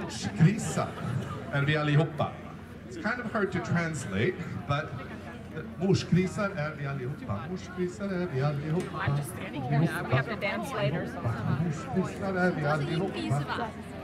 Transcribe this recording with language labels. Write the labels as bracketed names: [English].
[English] It's kind of hard to translate, but [Swedish] Morsgrisar är vi allihopa. Morsgrisar är vi allihopa. [English] I'm just standing here now. We have to dance later. [Swedish] Morsgrisar är vi allihopa.